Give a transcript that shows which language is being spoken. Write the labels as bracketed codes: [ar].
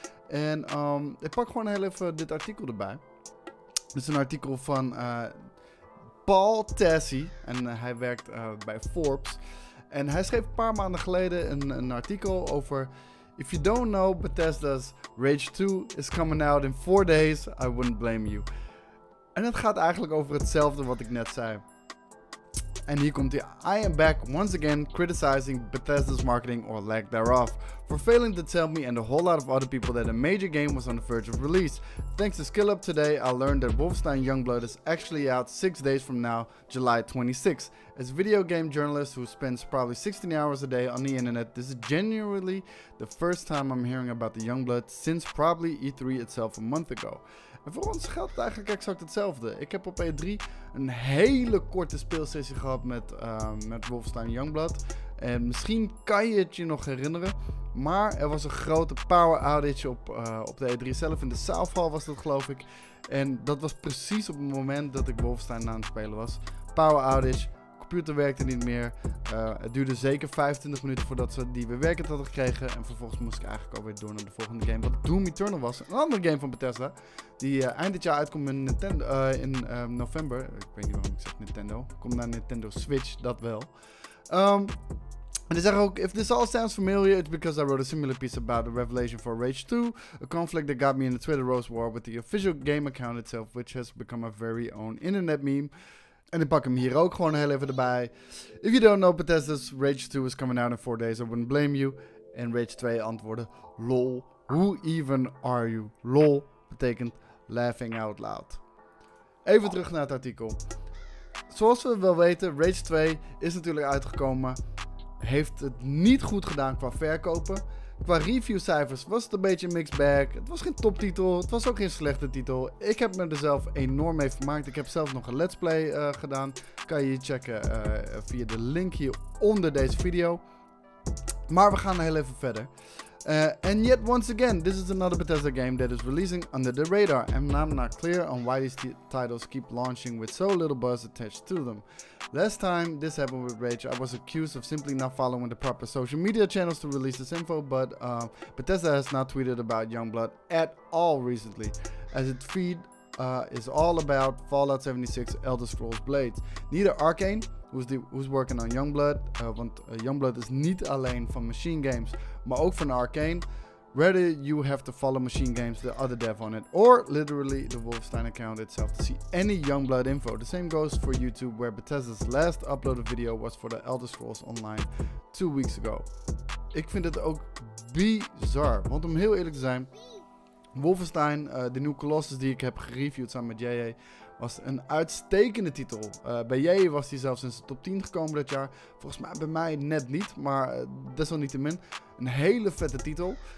[nl] En ik pak gewoon heel even dit artikel erbij. Het is een artikel van Paul Tassi en hij werkt bij Forbes. En hij schreef een paar maanden geleden een artikel over: [en] if you don't know, Bethesda's Rage 2 is coming out in 4 days, I wouldn't blame you. [nl] En het gaat eigenlijk over hetzelfde wat ik net zei. En hier komt hij: [en] I am back once again criticizing Bethesda's marketing or lack thereof for failing to tell me and a whole lot of other people that a major game was on the verge of release. Thanks to SkillUp today, I learned that Wolfenstein Youngblood is actually out 6 days from now, July 26th. As a video game journalist who spends probably 16 hours a day on the internet, this is genuinely the first time I'm hearing about the Youngblood since probably E3 itself a month ago. [nl] En voor ons geldt het eigenlijk exact hetzelfde. Ik heb op E3 een hele korte speelsessie gehad met Wolfenstein Youngblood. En misschien kan je het je nog herinneren. Maar er was een grote power outage op de E3 zelf. In de South Hall was dat, geloof ik. En dat was precies op het moment dat ik Wolfenstein aan het spelen was. Power outage. Computer werkte niet meer. Het duurde zeker 25 minuten voordat ze die weer werkend hadden gekregen. En vervolgens moest ik eigenlijk alweer door naar de volgende game. Wat Doom Eternal was. Een andere game van Bethesda. Die eind dit jaar uitkomt in Nintendo in november. Ik weet niet waarom ik zeg Nintendo. Komt naar Nintendo Switch, dat wel. En ze zeggen ook: [en] if this all sounds familiar, it's because I wrote a similar piece about a revelation for Rage 2. A conflict that got me in the Twitter Rose War with the official game account itself, which has become a very own internet meme. [nl] En ik pak hem hier ook gewoon heel even erbij. [en] If you don't know Bethesda's Rage 2 is coming out in 4 days, I wouldn't blame you. [nl] En Rage 2 antwoordde: [en] lol, who even are you? [nl] Lol betekent [en] laughing out loud. [nl] Even terug naar het artikel. Zoals we wel weten, Rage 2 is natuurlijk uitgekomen. Heeft het niet goed gedaan qua verkopen. Qua reviewcijfers was het een beetje een mixed bag. Het was geen toptitel. Het was ook geen slechte titel. Ik heb me er zelf enorm mee vermaakt. Ik heb zelf nog een let's play gedaan. Kan je checken via de link hier onder deze video. Maar we gaan heel even verder. [en] And yet once again, this is another Bethesda game that is releasing under the radar. And I'm not clear on why these titles keep launching with so little buzz attached to them. Last time this happened with Rage, I was accused of simply not following the proper social media channels to release this info, but Bethesda has not tweeted about Youngblood at all recently, as its feed is all about Fallout 76, Elder Scrolls Blades. Neither Arkane, who's working on Youngblood, [nl] Youngblood is niet alleen van Machine Games, maar ook van Arkane. [en] Rather, you have to follow Machine Games, the other dev on it, or literally the Wolfenstein account itself to see any Youngblood info. The same goes for YouTube, where Bethesda's last uploaded video was for the Elder Scrolls Online 2 weeks ago. [nl] Ik vind het ook bizar, want om heel eerlijk te zijn, Wolfenstein, de nieuwe Colossus die ik heb gereviewd samen met JJ, was een uitstekende titel. Bij JJ was hij zelfs in zijn top 10 gekomen dat jaar. Volgens mij bij mij net niet, maar desalniettemin een hele vette titel.